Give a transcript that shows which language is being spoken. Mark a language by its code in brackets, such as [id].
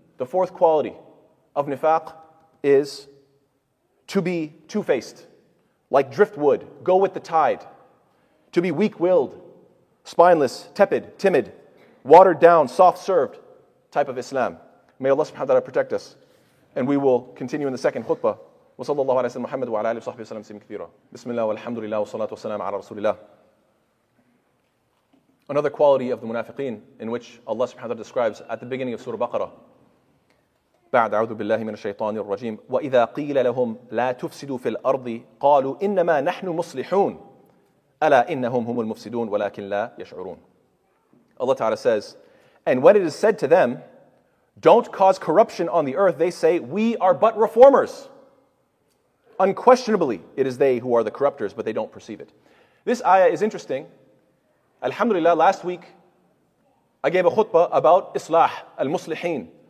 [en] The fourth quality of nifaq is to be two-faced, like driftwood, go with the tide, to be weak-willed, spineless, tepid, timid, watered down, soft-served type of Islam. May Allah subhanahu wa ta'ala protect us. And we will continue in the second khutbah. [ar] وصلى الله على سيدنا محمد وعلى آله وصحبه وسلم سيم كثيرا. بسم الله والحمد لله والصلاة والسلام على رسول الله. [en] Another quality of the munafiqeen in which Allah subhanahu wa ta'ala describes at the beginning of Surah Baqarah. [ar] بعد أعوذ بالله من الشيطان الرجيم وإذا قيل لهم لا تفسدوا في الأرض قالوا إنما نحن مصلحون ألا إنهم هم المفسدون ولكن لا يشعرون. [en] Allah Ta'ala says, and when it is said to them, don't cause corruption on the earth, they say, we are but reformers. Unquestionably, it is they who are the corruptors, but they don't perceive it. This ayah is interesting. Alhamdulillah, last week, I gave a khutbah about islah, al-muslihin.